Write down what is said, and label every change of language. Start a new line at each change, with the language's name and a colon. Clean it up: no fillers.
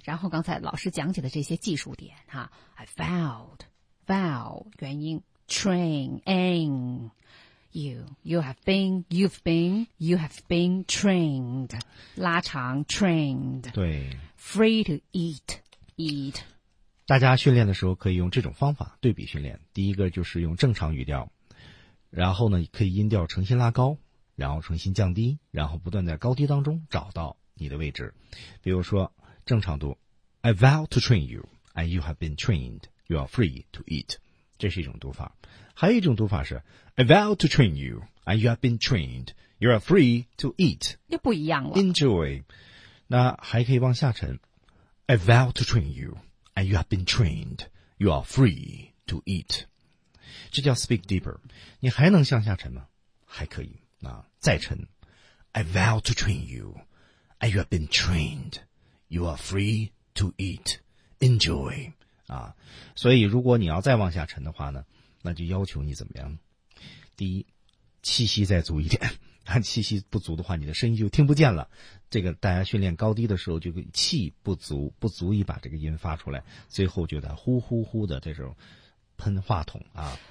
Chinese: 然后刚才老师讲解的这些技术点哈
English: ，I vowed, vow
Chinese: 原因
English: ，train in you have been, you've been, you have been trained，
Chinese: 拉长
English: trained，
Chinese: 对
English: ，free to eat, eat。
Chinese: 大家训练的时候可以用这种方法对比训练，第一个就是用正常语调，然后呢可以音调重新拉高。然后重新降低，然后不断在高低当中找到你的位置。比如说正常度
English: I vow to train you and you have been trained. You are free to eat.
Chinese: 这是一种读法。还有一种读法是
English: I vow to train you and you have been trained. You are free to eat.
Chinese: 又不一样了。
English: Enjoy.
Chinese: 那还可以往下沉
English: I vow to train you and you have been trained. You are free to eat.
Chinese: 这叫
English: speak deeper.
Chinese: 你还能向下沉吗？还可以。再沉
English: I vow to train you and you have been trained. You are free to eat. Enjoy.
Chinese: 啊，所以如果你要再往下沉的话呢，那就要求你怎么样，第一气息再足一点，气息不足的话你的声音就听不见了，这个大家训练高低的时候就气不足，不足以把这个音发出来，最后就得呼呼呼的这种喷话筒啊，